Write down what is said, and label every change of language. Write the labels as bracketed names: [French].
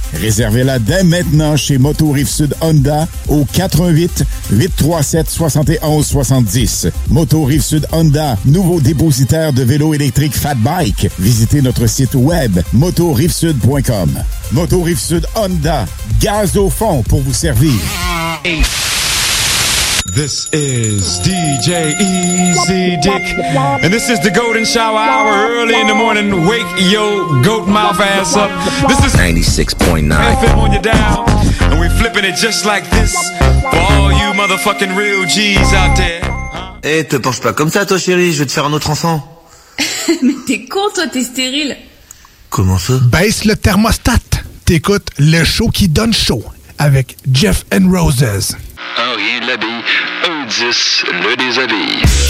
[French] Réservez-la dès maintenant chez Moto Rive-Sud Honda au 418-837-7170. Moto Rive-Sud Honda, nouveau dépositaire de vélos électriques Fat Bike. Visitez notre site web motorivesud.com. Moto Rive-Sud Honda, gaz au fond pour vous servir. [English] This is DJ Easy Dick, and this is the Golden Shower Hour, early in the morning. Wake your goat mouth ass up. This is 96.9 FM on your dial, and we're flipping it just like this for all you motherfucking real G's out there. [French] Hey, te penche pas comme ça, toi, chérie. Je vais te faire un autre enfant. Mais t'es con, toi, t'es stérile. Comment ça? Baisse le thermostat. T'écoutes le show qui donne show avec Jeff and Roses. Un rien de l'habille, un 10 le déshabille.